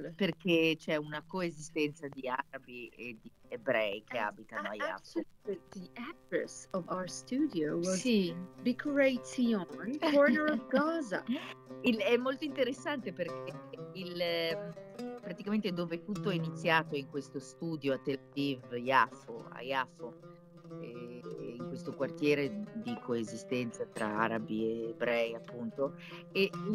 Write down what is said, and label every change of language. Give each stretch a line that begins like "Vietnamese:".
Italian: Perché c'è una coesistenza di arabi e di ebrei che abitano a Iaffo.
English: The address of our studio was Bikurei Zion, corner of Gaza.
Italian: È molto interessante perché praticamente dove tutto è iniziato in questo studio a Tel Aviv, a Iaffo, in questo quartiere di coesistenza tra arabi e ebrei, appunto, e